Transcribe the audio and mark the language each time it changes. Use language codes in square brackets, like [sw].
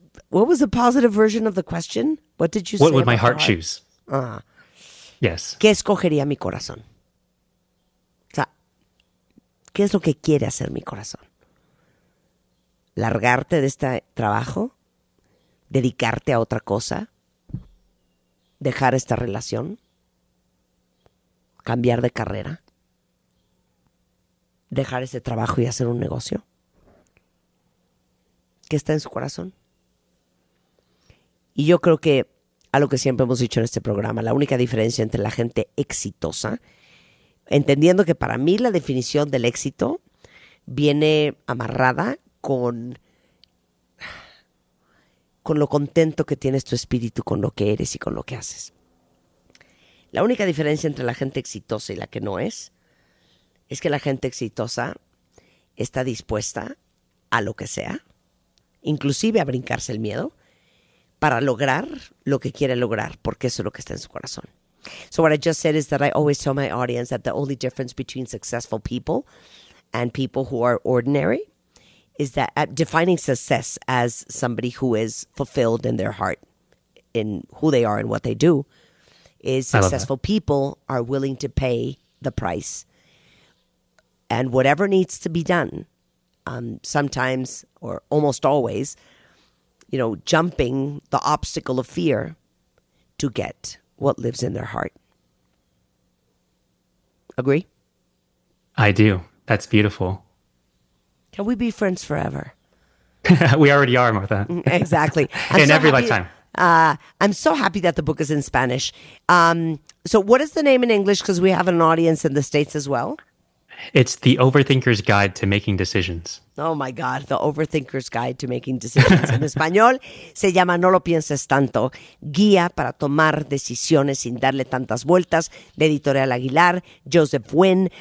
[en] What was the positive version of the question? What did you say? What would my heart choose? Yes. [es] ¿Qué escogería mi corazón? O sea, ¿qué es lo que quiere hacer mi corazón? ¿Largarte de este trabajo? ¿Dedicarte a otra cosa? ¿Dejar esta relación? ¿Cambiar de carrera? ¿Dejar ese trabajo y hacer un negocio? ¿Qué está en su corazón? Y yo creo que a lo que siempre hemos dicho en este programa, la única diferencia entre la gente exitosa, entendiendo que para mí la definición del éxito viene amarrada con lo contento que tienes tu espíritu con lo que eres y con lo que haces. La única diferencia entre la gente exitosa y la que no es que la gente exitosa está dispuesta a lo que sea, inclusive a brincarse el miedo, para lograr lo que quiere lograr, porque eso es lo que está en su corazón. [en] So what I just said is that I always tell my audience that the only difference between successful people and people who are ordinary is that defining success as somebody who is fulfilled in their heart, in who they are and what they do, is successful people are willing to pay the price. And whatever needs to be done, sometimes or almost always, you know, jumping the obstacle of fear to get what lives in their heart. Agree? I do. That's beautiful. Can we be friends forever? We already are, Martha. Exactly. In every lifetime. I'm so happy that the book is in Spanish. So what is the name in English? Because we have an audience in the States as well. It's The Overthinker's Guide to Making Decisions. Oh my God, The Overthinker's Guide to Making Decisions. [es] En español se llama No Lo Pienses Tanto, Guía para Tomar Decisiones Sin Darle Tantas Vueltas, de Editorial Aguilar, Joseph Nguyen.